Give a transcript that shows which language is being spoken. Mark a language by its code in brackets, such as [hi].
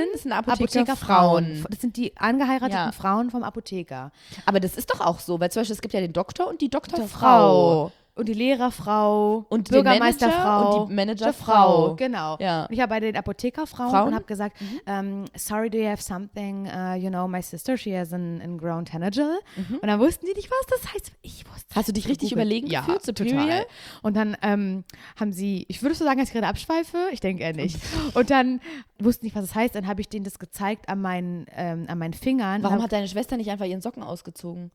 [de] das sind Apothekerfrauen. Das sind die angeheirateten Frauen vom Apotheker. Aber das ist doch auch so, weil zum Beispiel es gibt ja den Doktor und die Doktorfrau. Und die Lehrerfrau und die Bürgermeisterfrau und die Managerfrau. Genau. Ja. Und ich habe bei den Apothekerfrauen Frauen? Und habe gesagt, [en] sorry, do you have something? You know, my sister, she has an ingrown tanagel. Mhm. [de] Und dann wussten die nicht, was das heißt. Ich wusste. Hast du dich richtig überlegen gefühlt? Ja, total. Und dann haben sie, ich würde so sagen, dass ich gerade abschweife. Ich denke eher nicht. Und dann wussten nicht, was das heißt. Dann habe ich denen das gezeigt an meinen Fingern. Warum hat deine Schwester nicht einfach ihren Socken ausgezogen?